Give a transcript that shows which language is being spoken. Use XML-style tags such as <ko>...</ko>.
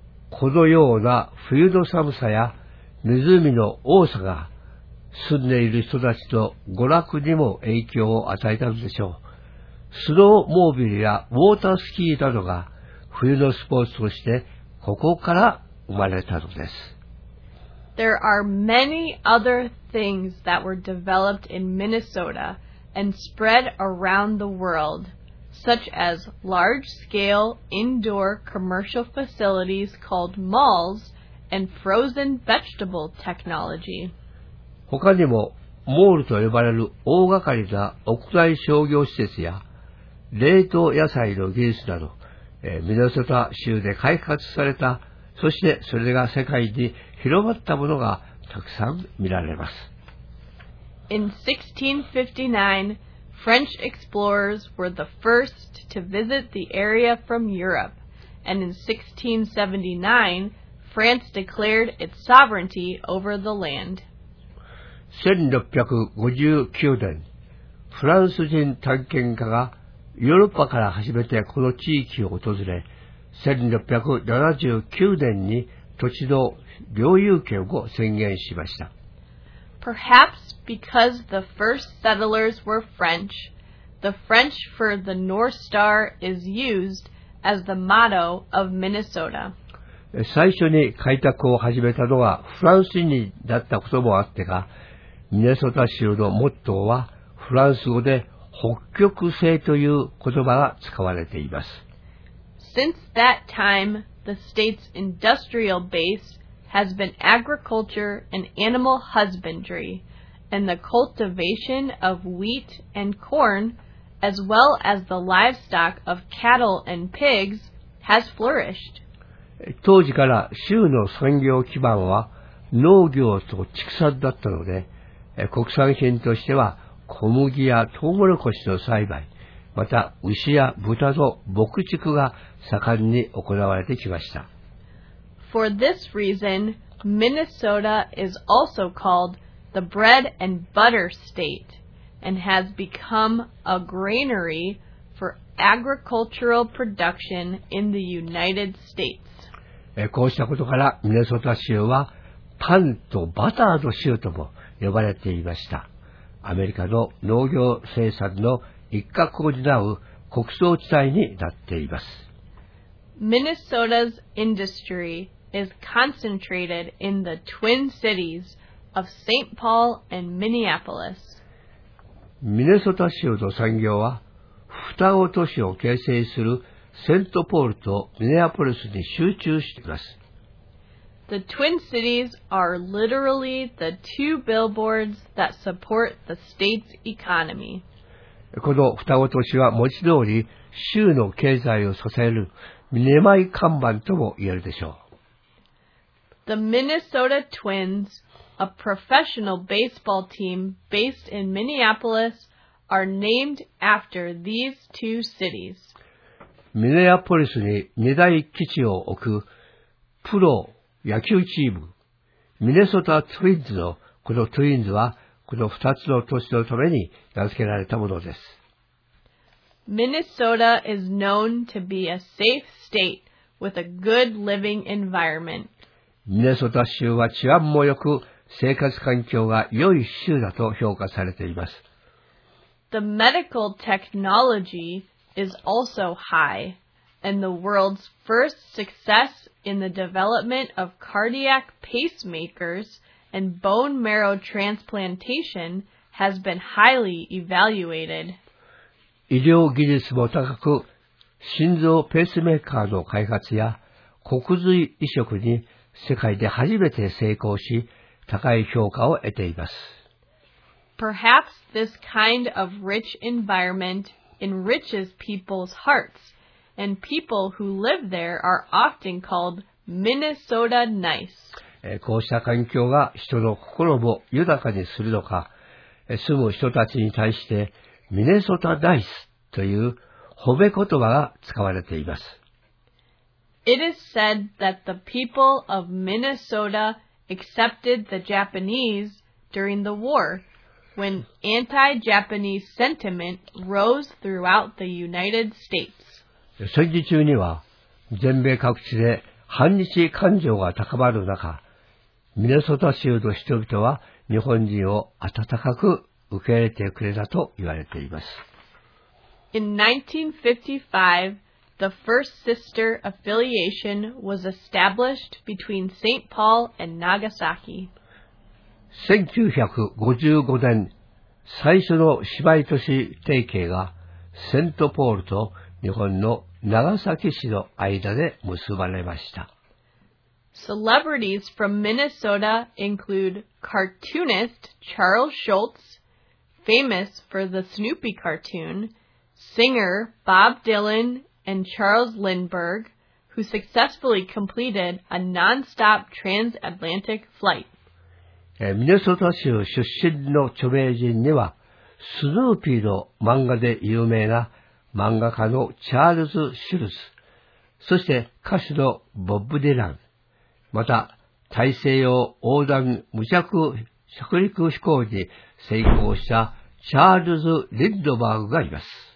<ja>このような冬の寒さや湖の多さが住んでいる人たちの娯楽にも影響を与えたのでしょう。スノーモービルやウォータースキーなどが冬のスポーツとしてここから生まれたのです。</ja> <en>There are many other things that were developed in Minnesota and spread around the world, such as large-scale indoor commercial facilities called malls and frozen vegetable technology.</en> <ja>他にもモールと呼ばれる大掛かりな屋内商業施設や冷凍野菜の技術など、ミネソタ州で開発された、そしてそれが世界に広まったものがたくさん見られます。</ja> <en>In 1659, French explorers were the first to visit the area from Europe and in 1679, France declared its sovereignty over the land.</en> <ja>1659年、フランス人探検家がヨーロッパから初めてこの地域を訪れ、1679年に土地の領有権を宣言しました。</ja> <en>Perhaps because the first settlers were French, the French for the North Star is used as the motto of Minnesota.</en> <ja>最初に開拓を始めたのはフランス人だったこともあってか、ミネソタ州のモットーはフランス語で北極星という言葉が使われています。</ja> <en>Since that time, the state's industrial base has been agriculture and animal husbandry, and the cultivation of wheat and corn, as well as the livestock of cattle and pigs, has flourished.</en> <ja>当時から州の産業基盤は農業と畜産だったので、国産品としては小麦やトウモロコシの栽培、また牛や豚の牧畜が盛んに行われてきました。</ja> <en>For this reason, Minnesota is also called the bread and butter state and has become a granary for agricultural production in the United States.</en> <ja>こうしたことからミネソタ州はパンとバターの州とも呼ばれていました。アメリカの農業生産の一角を担う穀倉地帯になっています。</ja> <en>Minnesota's industry is concentrated in the twin cities of St. Paul and Minneapolis.</en> <ja>ミネソタ州の産業は、双子都市を形成するセントポールとミネアポリスに集中しています。</ja> <en>The Twin Cities are literally the two billboards that support the state's economy.</en> <ja>この双子都市は文字通り州の経済を支える二枚看板とも言えるでしょう。</ja> <en>The Minnesota Twins, a professional baseball team based in Minneapolis, are named after these two cities.</en> <ja>ミネアポリスに二大基地を置くプロ野球チーム、ミネソタ・ツインズのこのツインズは、この2つの都市のために名付けられたものです。</ja> <en>Minnesota is known to be a safe state with a good living environment.</en> <ja>ミネソタ州は治安も良く、生活環境が良い州だと評価されています。</ja> <en>The medical technology is also high, and the world's first successin the development of cardiac pacemakers and bone marrow transplantation has been highly evaluated.</en> <ja>医療技術も高く、心臓ペースメーカーの開発や骨髄移植に世界で初めて成功し、高い評価を得ています。</ja> <en>Perhaps this kind of rich environment enriches people's hearts. And people who live there are often called Minnesota nice.</en> <ja>こうした環境が人の心を豊かにするのか、住む人たちに対してミネソタナイスという褒め言葉が使われています。</ja> <en>It is said that the people of Minnesota accepted the Japanese during the war, when anti-Japanese sentiment rose throughout the United States.</en> <ja>戦時中には全米各地で反日感情が高まる中、ミネソタ州の人々は日本人を温かく受け入れてくれたと言われています。</ja> <en>In 1955, the First Sister Affiliation was established between St. Paul and Nagasaki.</en> <ja>1955年、最初の姉妹都市提携がセントポールと日本の長崎市の間で結ばれました。</ja> <en>Celebrities from Minnesota include cartoonist Charles Schulz, famous for the Snoopy cartoon, singer Bob Dylan and Charles Lindbergh, who successfully completed a non-stop transatlantic flight.</en> <ja>ミネソタ州出身の著名人には、スヌーピーの漫画で有名な漫画家のチャールズ・シュルツ、そして歌手のボブ・ディラン、また大西洋横断無着着陸飛行に成功したチャールズ・リンドバーグがいます。</ja>